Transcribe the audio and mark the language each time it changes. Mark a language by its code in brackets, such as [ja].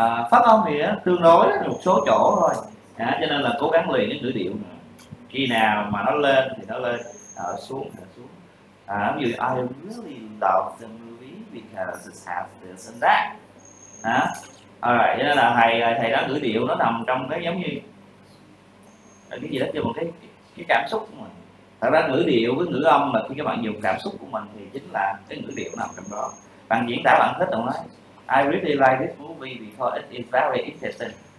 [vi] Phát âm thì tương đối một số chỗ thôi. Cho nên là cố gắng luyện cái ngữ điệu nữa. Khi nào mà nó lên thì nó lên, xuống thì xuống. Ví dụ [en] I really love the movie because it has this and that. [vi] Alright, cho nên là thầy đó ngữ điệu nó nằm trong cái giống như cái gì đó, kêu một cái cảm xúc của mình. Thật ra ngữ điệu với ngữ âm là khi các bạn dùng cảm xúc của mình thì chính là cái ngữ điệu nằm trong đó. Bạn diễn tả bạn thích, bạn nói [en] I really like this movie because it is very interesting.